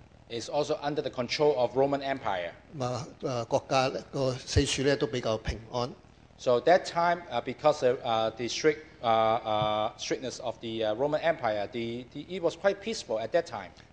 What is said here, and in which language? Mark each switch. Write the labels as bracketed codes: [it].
[en] Is also under the control of Roman Empire. [zh] 咁啊，國家個四處咧都比較平安。 [en] So that time, because of the strictness of the Roman Empire, it was quite peaceful at that time.